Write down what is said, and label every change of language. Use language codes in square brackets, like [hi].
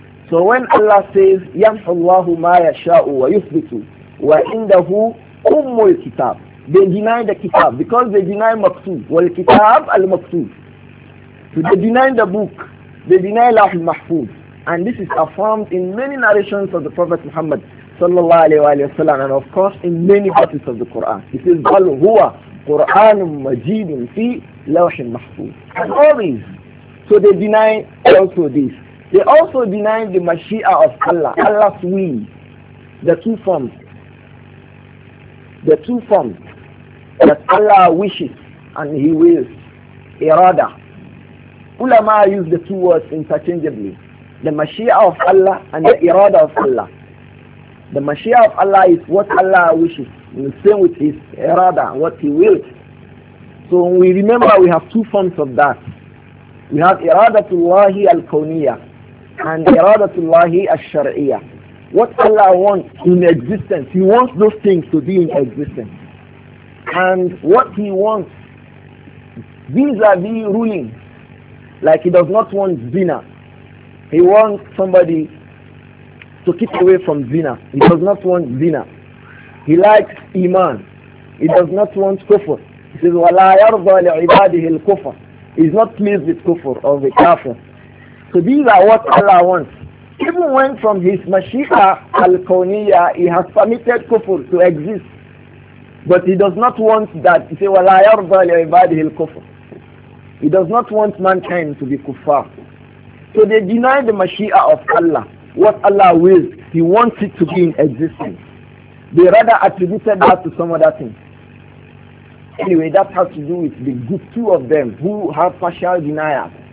[en] So when Allah says [ar] يَمْحُ اللَّهُ مَا يَشَاءُ وَيُثْبِتُ وَإِنْدَهُ أُمُّ الْكِتَابُ, [en] they deny the kitab, because they deny maktub. [ar] وَالْكِتَابُ الْمَكْتُوبُ. [en] So they deny the book, they deny lahu al-mahfuz, and this is affirmed in many narrations of the Prophet Muhammad sallallahu alayhi wa sallam, and of course in many verses of the Quran. It is [ar] بَلْ هُوَ قُرْآنٌ مَجِيدٌ فِي لَوْحٍ مَحْفُوظٍ. [en] And all these, so they deny also this. They also deny the Mashi'a of Allah, Allah's will, the two forms that Allah wishes and he wills, irada. Ulama use the two words interchangeably, the Mashi'a of Allah and the irada of Allah. The Mashi'a of Allah is what Allah wishes, and the same with his irada, what he wills. So we remember we have two forms of that. We have iradatullah al-kawniyah and iradatullah al-shar'iyah. What Allah wants in existence, he wants those things to be in existence. And what he wants vis-a-vis ruling, like he does not want zina. He wants somebody to keep away from zina. He does not want zina. He likes iman. He does not want kufr. He says, [ar] وَلَا يَرْضَى لِعِبَادِهِ الْكُفْرِ. [en] Is not pleased with kufr or the kafir. So these are what Allah wants. Even when from his mashi'a al-kawniyah, he has permitted kufr to exist, but he does not want that. He says, [ar] وَلَا يَرْضَى لِعِبَادِهِ الْكُفْرِ. [en] He does not want mankind to be kuffar. So they deny the mashi'a of Allah, what Allah wills. He wants it to be in existence. They rather attributed that to some other thing. Anyway, that has to do with the good two of them who have partial denial.